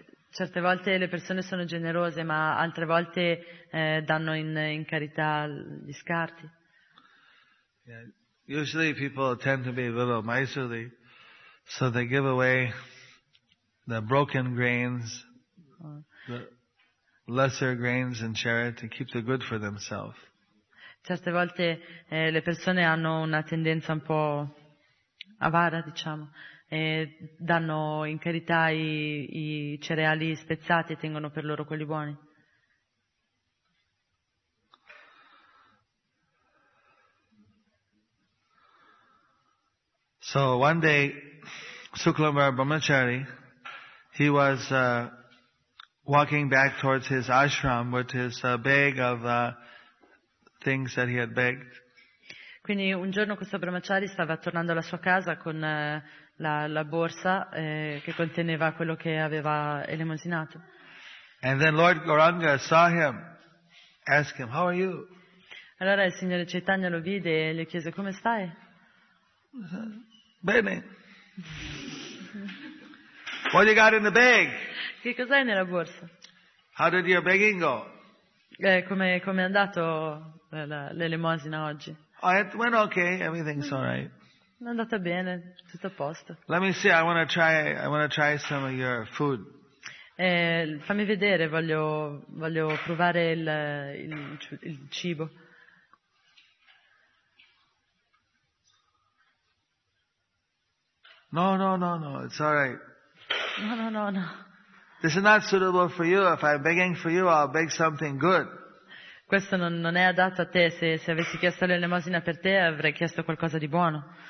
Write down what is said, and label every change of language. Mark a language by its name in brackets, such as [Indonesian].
[Italian] Certe volte le persone sono generose, ma altre volte danno in carità gli scarti. [English] Yeah. Usually people tend to be a little miserly. So they give away the broken grains, the lesser grains in charity to keep the good for themselves. [Italian] Certe volte le persone hanno una tendenza un po' avara, diciamo, e danno in carità i cereali spezzati e tengono per loro quelli buoni. [English] So one day Sukambar Brahmachari, he was walking back towards his ashram with his bag of things that he had begged. [Italian] Quindi un giorno questo brahmachari stava tornando alla sua casa con la borsa che conteneva quello che aveva elemosinato. [English] And then Lord Gauranga saw him, asked him, "How are you?" [Italian] Allora il signore Chaitanya lo vide e gli chiese, "Come stai?" "Bene." [English] What you got in the bag? [Italian] Che cos'hai nella borsa? [English] How did your begging go? [Italian] Come è andato l'elemosina oggi? [English] Oh, it went okay. Everything's all right. [Italian] È andata bene, tutto a posto. [English] Let me see. I want to try some of your food. [Italian] Fammi vedere. Voglio provare il cibo. [English] No. It's all right. [Italian] No. [English] This is not suitable for you. If I'm begging for you, I'll beg something good. [Italian] Questo non è adatto a te. Se avessi chiesto l'elemosina per te, avrei chiesto qualcosa di buono.